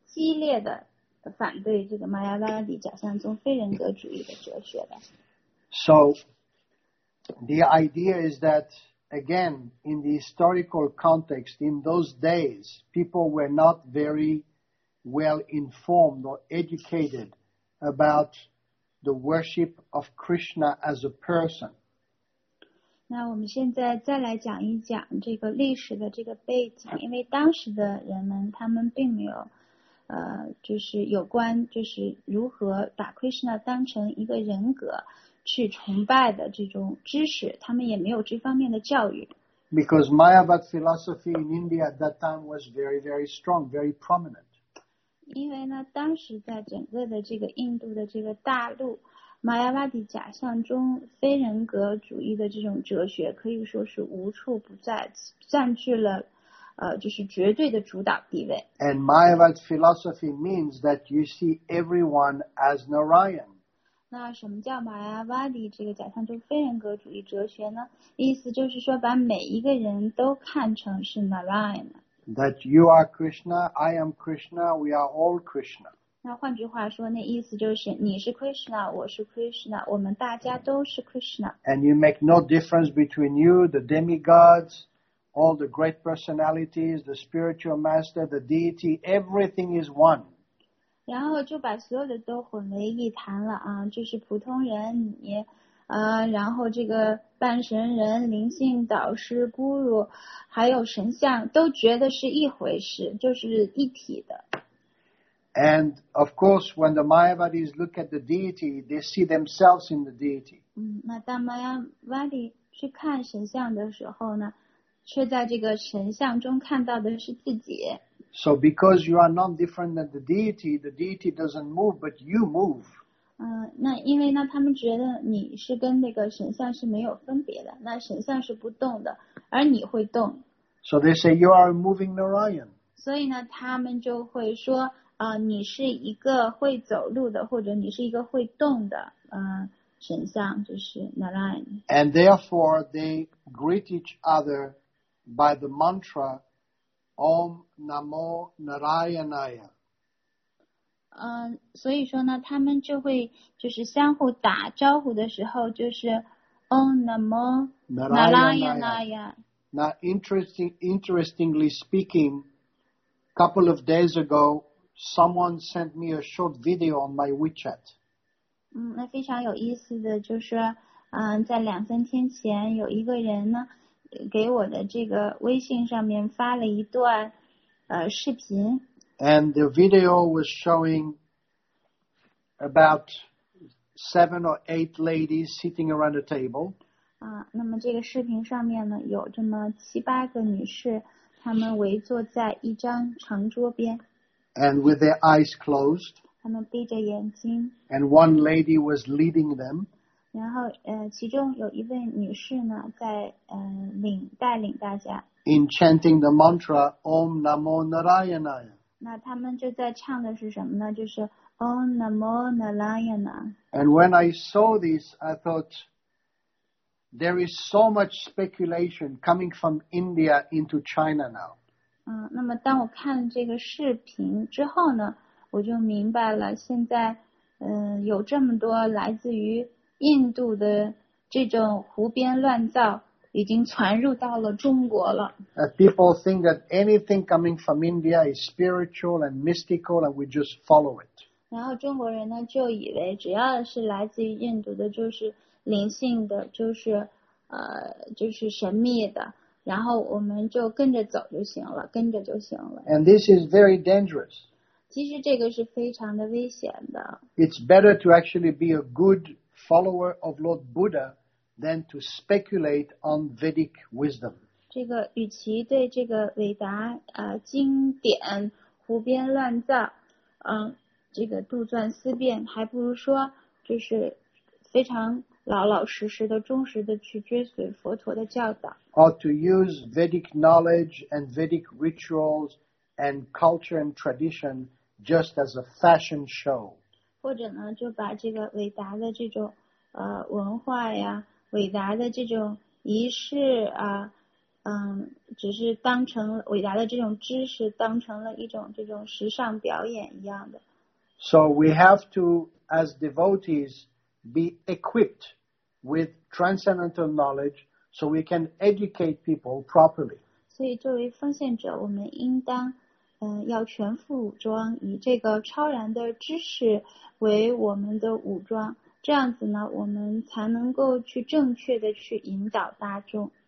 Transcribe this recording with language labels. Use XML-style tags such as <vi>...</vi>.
<zh>激烈的反对这个玛雅拉底假象中非人格主义的哲学的。</zh> <en>So, the idea is that, again, in the historical context, in those days, people were not very well informed or educated about the worship of Krishna as a person.</en> <zh>那我们现在再来讲一讲这个历史的这个背景，因为当时的人们他们并没有就是有关就是如何把 Krishna 当成一个人格去崇拜的这种知识，他们也没有这方面的教育。</zh> <en>Because Mayavad philosophy in India at that time was very, very strong, very prominent.</en> <zh>因为呢，当时在整个的这个印度的这个大陆，玛雅瓦底假象中非人格主义的这种哲学可以说是无处不在，占据了。就是绝对的主导地位。</zh> <en>And Mayavad philosophy means that you see everyone as Narayan.</en> <zh>那什么叫 Mayavadi 这个假象中非人格主义哲学呢？意思就是说把每一个人都看成是 Narayan。</zh> <en>That you are Krishna, I am Krishna, we are all Krishna.</en> <zh>那换句话说，那意思就是你是 Krishna, 我是 Krishna, 我们大家都是 Krishna.</zh> <en>And you make no difference between you, the demigods,All the great personalities, the spiritual master, the deity, everything is one.</en> <zh>然后就把所有的都混为一谈了啊，就是普通人你，然后这个半神人、灵性导师、孤儒，还有神像，都觉得是一回事，就是一体的。</zh> <en>And of course, when the Mayavadis look at the deity, they see themselves in the deity.</en> <zh>那当 Mayavadi 去看神像的时候呢？却在这个神像中看到的是自己。</zh> <en>So because you are not different than the deity doesn't move, but you move.</en> <zh>那因为呢，他们觉得你是跟那个神像是没有分别的，那神像是不动的，而你会动。</zh> <en>So they say you are a moving Narayan.</en> <zh>所以呢，他们就会说，你是一个会走路的，或者你是一个会动的，神像就是 Narayan.</zh> <en>And therefore they greet each other. By the mantra, Om Namo Narayanaya.</en> <zh>所以说呢，他们就会就是相互打招呼的时候，就是 Om Namo</zh> <en>Narayanaya. Now, interestingly speaking, a couple of days ago, someone sent me a short video on my WeChat.</en> <zh>那非常有意思的就是，在两三天前有一个人呢。给我的这个微信上面发了一段视频。</zh> <en>And the video was showing about 7 or 8 ladies sitting around a table.</en> <zh>那么这个视频上面呢有这么7-8个女士她们围坐在一张长桌边。</zh> <en>And with their eyes closed.</en> <zh>她们闭着眼睛。</zh> <en>And one lady was leading them.</en> <zh>然后其中有一位女士呢在带领大家</zh> <en>In chanting the mantra Om Namo Narayanaya</en> <zh>那他们就在唱的是什么呢就是 Om Namo Narayana</zh> <en>And when I saw this I thought There is so much speculation coming from India into China now</en> <zh>那么当我看这个视频之后呢我就明白了现在有这么多来自于印度的这种胡编乱造已经传入到了中国了。</zh> <en>People think that anything coming from India is spiritual and mystical and we just follow it.</en> <zh>然后中国人呢就以为只要是来自于印度的就是灵性的就是神秘的然后我们就跟着走就行了跟着就行了。</zh> <en>And this is very dangerous.</en> <zh>其实这个是非常的危险的。</zh> <en>It's better to actually be a good follower of Lord Buddha than to speculate on Vedic wisdom.</en> <zh>这个与其对这个伟达经典胡编乱造这个杜撰思辨还不如说就是非常老老实实的忠实的去追随佛陀的教导。</zh> <en>Or to use Vedic knowledge and Vedic rituals and culture and tradition just as a fashion show.</en> <zh>或者呢，就把这个伟达的这种文化呀，伟达的这种仪式啊，只是当成伟大的这种知识当成了一种这种时尚表演一样的。</zh> <en>So we have to, as devotees, be equipped with transcendental knowledge so we can educate people properly.</en> <zh>所以作为奉献者我们应当要全副武装以这个超然的知识为我们的武装这样子呢我们才能够去正确的去引导大众。</zh>